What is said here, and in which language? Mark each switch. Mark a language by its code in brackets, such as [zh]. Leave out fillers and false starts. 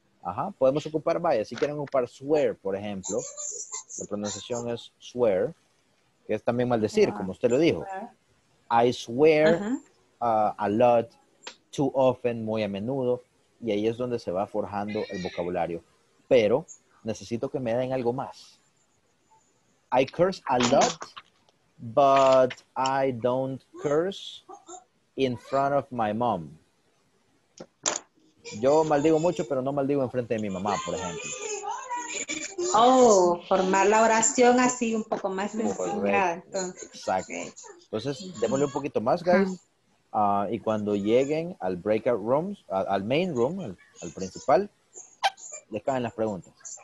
[es] Ajá. Podemos ocupar vaya. Si quieren ocupar swear, por ejemplo. La pronunciación es swear. Que es también mal decir, como usted lo dijo. [en] I swear a lot, too often, [es] muy a menudo. Y ahí es donde se va forjando el vocabulario. Pero necesito que me den algo más. [en] I curse a lot, but I don't curse in front of my mom. [es] Yo maldigo mucho, pero no maldigo enfrente de mi mamá, por ejemplo. Oh, formar la oración así un poco más sencilla. Exacto. Entonces, démosle un poquito más, guys. Y cuando lleguen al breakout rooms, al main room, al principal, les caen las preguntas.